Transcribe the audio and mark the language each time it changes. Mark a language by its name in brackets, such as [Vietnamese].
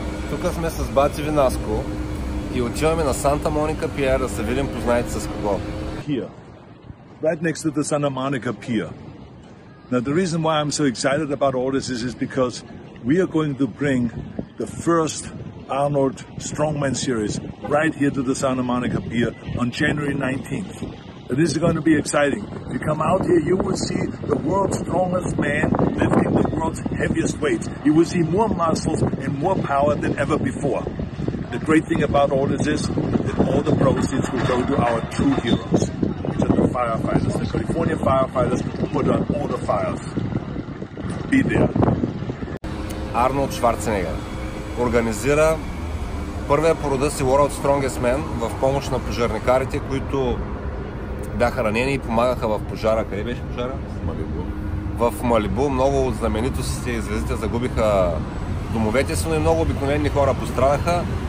[Bulgarian] Тук сме с Бати Винаско и отиваме на Санта Моника Пиер да се видим, познайте с кого. [English] Here. Right next to the Santa Monica Pier. Now the reason why I'm so excited about all this is because we are going to bring the first Arnold Strongman series right here to the Santa Monica Pier on January 19th. And this is going to be exciting. If you come out here, you will see the world's strongest man lifting the world's heaviest weights. You will see more muscles and more power than ever before. The great thing about all this is that all the proceeds will go to our true heroes, which are the firefighters, the California firefighters who put out all the fires. Be there. [Bulgarian] Арнолд Шварценегер организира първия по рода си World Strongest Man в помощ на пожарникарите, които бяха ранени и помагаха в пожара. Къде беше пожара? В Малибу. Много от знаменитостите и звездите загубиха домовете си, но и много обикновени хора пострадаха.